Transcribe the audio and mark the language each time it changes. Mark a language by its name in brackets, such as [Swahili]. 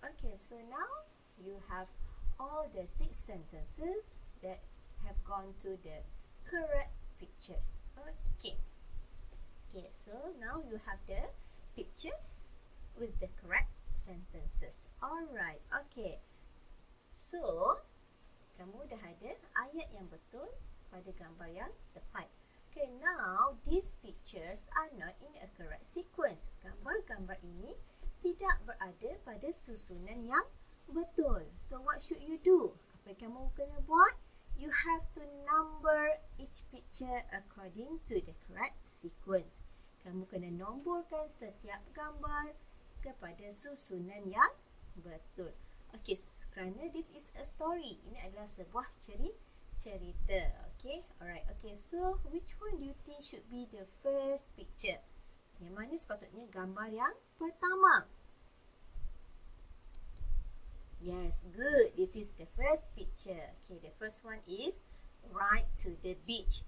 [English] Okay, so now you have all the 6 sentences that have gone to the correct pictures. Okay. Okay, so now you have the pictures with the correct sentences. Alright. Okay. [Malay] So, kamu dah ada ayat yang betul pada gambar yang tepat. [English] Okay, now these pictures are not in a correct sequence. [Malay] Gambar-gambar ini tidak berada pada susunan yang betul. [English] So, what should you do? [Malay] Apa yang kamu kena buat? [English] You have to number each picture according to the correct sequence. [Malay] Kamu kena nomborkan setiap gambar kepada susunan yang betul. [English] Okay, [Malay] kerana [English] this is a story. [Malay] Ini adalah sebuah cerita. [English] Okay, alright. Okay, so which one do you think should be the first picture? [Malay] Yang mana sepatutnya gambar yang pertama? [English] Yes, good. This is the first picture. Okay, the first one is right to the beach.